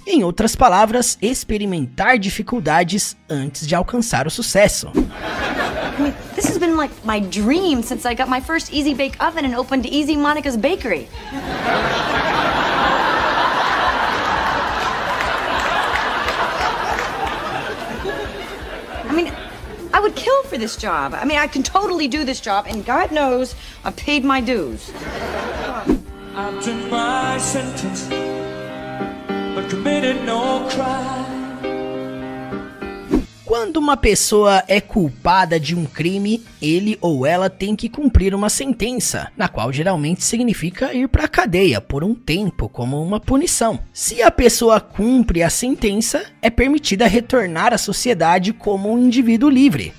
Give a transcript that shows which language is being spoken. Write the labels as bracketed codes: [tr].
[pt] Em outras palavras, experimentar dificuldades antes de alcançar o sucesso. [en] I mean, this has been like my dream since I got my first Easy Bake Oven and opened Easy Monica's Bakery. I would kill for this job. I mean, I can totally do this job, and God knows I've paid my dues. I've turned my sentence, but committed no crime. [pt] Quando uma pessoa é culpada de um crime, ele ou ela tem que cumprir uma sentença, na qual geralmente significa ir para a cadeia por um tempo, como uma punição. Se a pessoa cumpre a sentença, é permitida retornar à sociedade como um indivíduo livre.